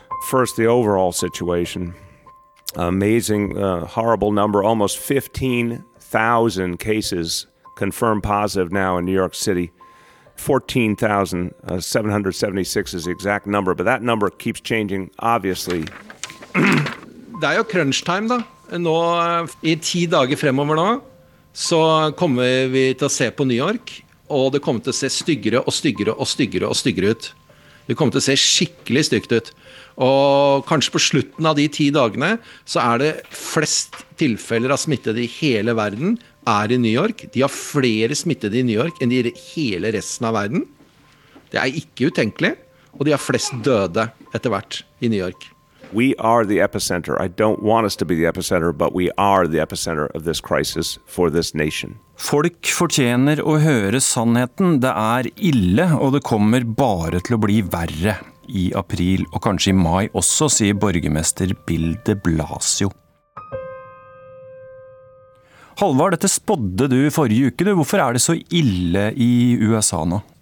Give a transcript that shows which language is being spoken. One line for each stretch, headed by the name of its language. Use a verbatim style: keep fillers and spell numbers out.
English: First, the overall situation. Amazing, uh, horrible number. Almost fifteen thousand cases confirmed positive now in New York City. fourteen thousand seven hundred seventy-six is the exact number, but that number keeps changing, obviously.
Norwegian: Det er jo
English: crunch time,
Norwegian: da. Nå, i ti dager fremover nå, så kommer vi til å se på New York, og det kommer til å se styggere og styggere og styggere og styggere ut. Det kommer til å se skikkelig stygt ut. Og kanskje på slutten av de ti dagene så er det flest tilfeller av smittede i hele verden er i New York. De har flere smittede i New York enn i hele resten av verden. Det er ikke utenkelig. Og de har flest døde etter hvert i New York.
English: We are the epicenter. I don't want us to be the epicenter, but we are the epicenter of this crisis for this nation.
Norwegian: Folk fortjener å høre sannheten. Det er ille, og det kommer bare til å bli verre i april, og kanskje i mai også, sier borgermester Bill de Blasio. Halvard, dette spodde du forrige uke. Du. Hvorfor er det så ille i U S A nå?